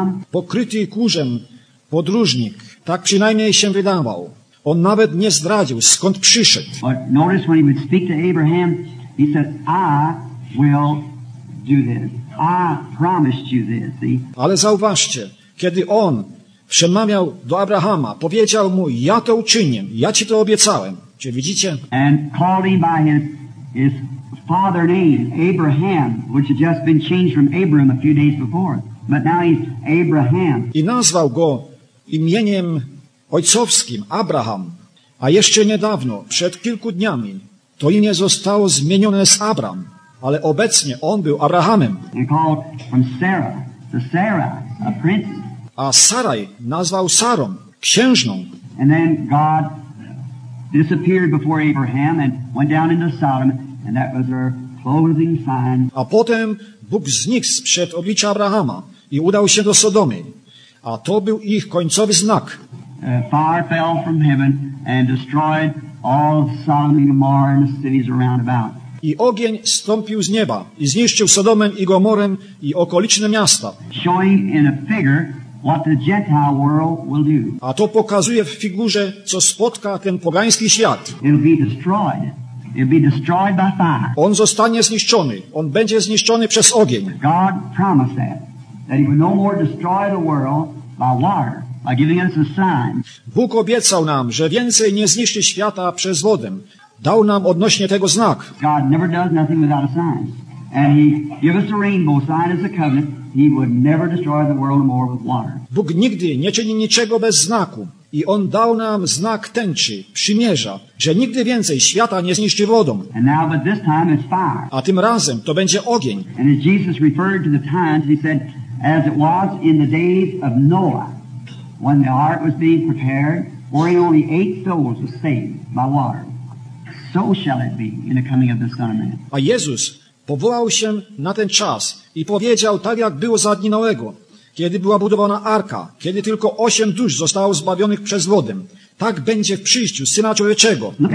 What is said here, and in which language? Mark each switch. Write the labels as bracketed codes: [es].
[pl] Pokryty kurzem podróżnik, tak przynajmniej się wydawał. On nawet nie zdradził, skąd przyszedł. [en] But notice when he would speak to Abraham, he said, I will do this. I promised you this. See? [pl] Ale zauważcie, kiedy on przemawiał do Abrahama, powiedział mu, ja to uczynię, ja ci to obiecałem. Czy widzicie? [en] And called him by his father name, Abraham, which had just been changed from Abram a few days before. But now he's Abraham. [pl] I nazwał go imieniem ojcowskim, Abraham. A jeszcze niedawno, przed kilku dniami, to imię zostało zmienione z Abram, ale obecnie on był Abrahamem. [en] He called from Sarah to Sarah, a princess. [pl] A Saraj nazwał Sarą, księżną. [en] And then God disappeared before Abraham and went down into Sodom. And that was her closing sign. [pl] A potem Bóg znikł sprzed oblicza Abrahama i udał się do Sodomy. A to był ich końcowy znak. [en] Fire fell from heaven and destroyed all of Sodom and Gomorrah and the cities around about. [pl] I ogień stąpił z nieba i zniszczył Sodomę i Gomorę i okoliczne miasta. [en] Showing in a figure what the Gentile world will do. [pl] A to pokazuje w figurze, co spotka ten pogański świat. [en] It'll be destroyed. It'll be destroyed by fire. [pl] On zostanie zniszczony. On będzie zniszczony przez ogień. [en] God promised that he would no more destroy the world by water, by giving us a sign. [pl] Bóg obiecał nam, że więcej nie zniszczy świata przez wodę. Dał nam odnośnie tego znak. [en] God never does nothing without a sign. And he gave us a rainbow sign as a covenant. He would never destroy the world more with water. [pl] Bóg nigdy nie czyni niczego bez znaku. I on dał nam znak tęczy, przymierza, że nigdy więcej świata nie zniszczy wodą. [en] And now, but this time it's fire. [pl] A tym razem to będzie ogień. [en] And as Jesus referred to the times, he said, as it was in the days of Noah, when the ark was being prepared, wherein only eight souls were saved by water, so shall it be in the coming of the Son of Man. [pl] A Jezus powołał się na ten czas i powiedział tak, jak było za dni Noego. Kiedy była budowana arka, kiedy tylko 8 dusz zostało zbawionych przez wodę, tak będzie w przyjściu Syna Człowieczego.